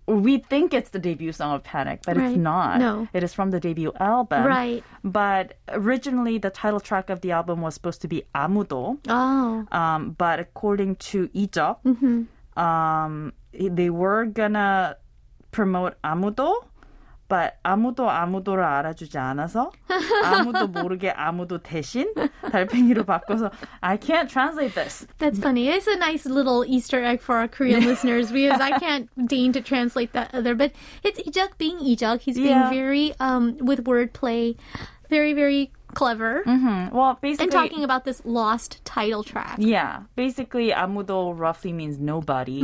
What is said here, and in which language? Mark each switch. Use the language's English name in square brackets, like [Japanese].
[English] We think it's the debut song of Panic, but right. it's not. No. It is from the debut album. Right. But originally, the title track of the album was supposed to be Amudo. Oh. But according to Ijo, they were gonna promote Amudo. [Korean] But 아무도 아무도를 알아주지 않아서 아무도 모르게 아무도 대신 달팽이로 바꿔서 [English] I can't translate this. That's funny. It's a nice little Easter egg for our Korean listeners because I can't deign to translate that other. But it's Ijeok being Ijeok. He's being very, with wordplay, very, very clever. Mm-hmm. Well, basically, and talking about this lost title track. Yeah. Basically, 아무도 roughly means nobody.